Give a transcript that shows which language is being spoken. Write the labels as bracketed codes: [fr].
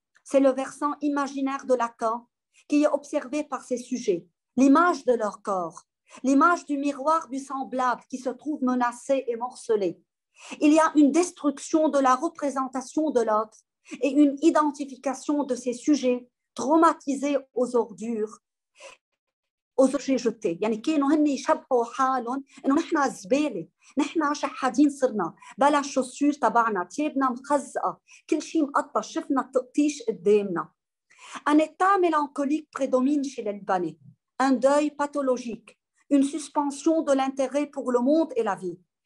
[fr] C'est le versant imaginaire de Lacan qui est observé par ces sujets, l'image de leur corps, l'image du miroir du semblable qui se trouve menacé et morcelé. Il y a une destruction de la représentation de l'autre et une identification de ces sujets traumatisés aux ordures, aux objets jetés. [ar] يعني كانوا هن يشبهوا حالهم انه نحن زباله، نحن شحادين صرنا، بلا الشوسور تبعنا، تيابنا مخزقه، كل شيء مقطع، شفنا التقطيش قدامنا. [fr] Un état mélancolique prédomine chez les Libanais, un deuil pathologique, une suspension de l'intérêt pour le monde et la vie.